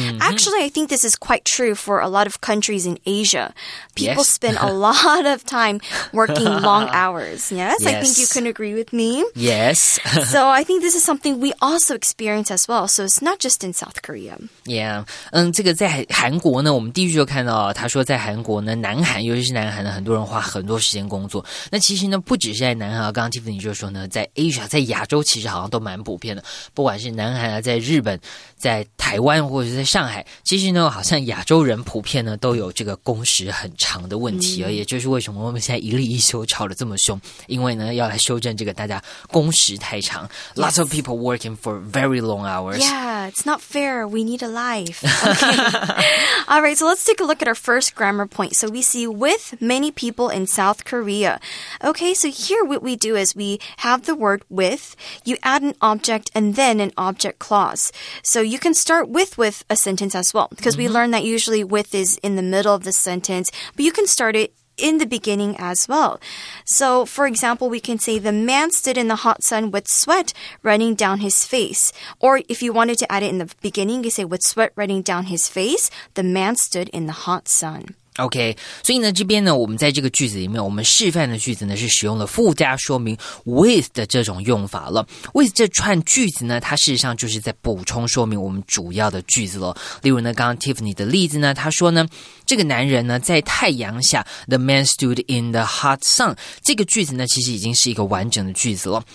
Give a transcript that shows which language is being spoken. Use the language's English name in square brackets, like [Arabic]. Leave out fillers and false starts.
[English] Actually, I think this is quite true for a lot of countries in Asia. People spend a lot of time working long hours. Yes, I think you can agree with me. Yes. So I think this is something we also experience as well. So it's not just in South Korea. Yeah. [Chinese] 这个在韩国呢，我们第一句就看到，他说在韩国呢，南韩，尤其是南韩的很多人花很多时间工作，那其实呢，不只是在南韩，刚刚 Tiffany 就说呢，在 Asia， 在亚洲其实好像都蛮普遍的，不管是南韩啊，在日本，在台湾或者是在上海，其实呢，好像亚洲人普遍呢都有这个工时很长的问题，也就是为什么我们现在一例一休吵得这么凶，因为呢要来修正这个大家工时太长。 [English] Lots of people working for very long hours. Yeah, it's not fair. We need a life. Okay. All right, so let's take a look at our first grammar point. So we see with many people in South Korea. Okay, so here what we do is we have the word with, you add an object and then an object clause. So you can start with a sentence as well, because we learned that usually with is in the middle of the sentence, but you can start it in the beginning as well. So for example, we can say the man stood in the hot sun with sweat running down his face. Or if you wanted to add it in the beginning, you say with sweat running down his face, the man stood in the hot sun. [Chinese] OK, 所以呢这边呢我们在这个句子里面我们示范的句子呢是使用了附加说明 with 的这种用法了。 with 这串句子呢它事实上就是在补充说明我们主要的句子了。例如呢刚刚 Tiffany 的例子呢他说呢这个男人呢在太阳下 [English] the man stood in the hot sun, [Chinese] 这个句子呢其实已经是一个完整的句子了。